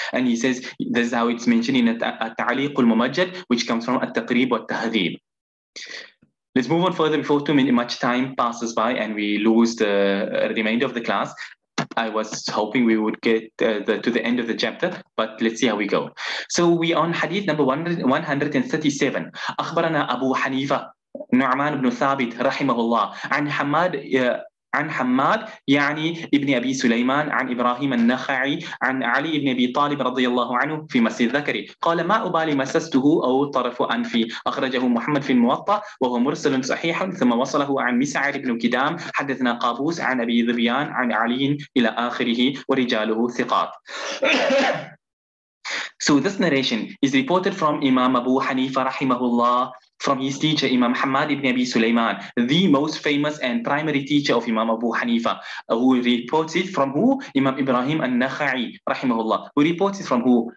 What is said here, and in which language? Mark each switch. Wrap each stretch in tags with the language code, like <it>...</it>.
<en>And he says, this is how it's mentioned in At-Ta'liq Al-Mumajjad, which comes from At-Taqrib Wa-At-Tahdhib. Let's move on further before too much time passes by and we lose the remainder of the class. I was hoping we would get to the end of the chapter, but let's see how we go. So we on hadith number 137.</en> <ar>أخبرنا أبو حنيفة نعمان بن ثابت رحمه الله عن حماد عن حماد يعني ابن أبي سليمان عن إبراهيم النخعي عن علي بن أبي طالب رضي الله عنه في مسجد ذكري قال ما أبالي مسسته أو طرف أنفي أخرجه محمد في الموطأ وهو مرسل صحيح ثم وصله عن مسعر بن كدام حدثنا قابوس عن أبي ذبيان عن علي إلى آخره ورجاله ثقات.</ar> <en>So this narration is reported from Imam Abu Hanifa rahimahullah, from his teacher Imam Hamad ibn Abi Sulaiman, the most famous and primary teacher of Imam Abu Hanifa, who reports it from who? Imam Ibrahim al-Nakhai rahimahullah, who reports it from who?</en>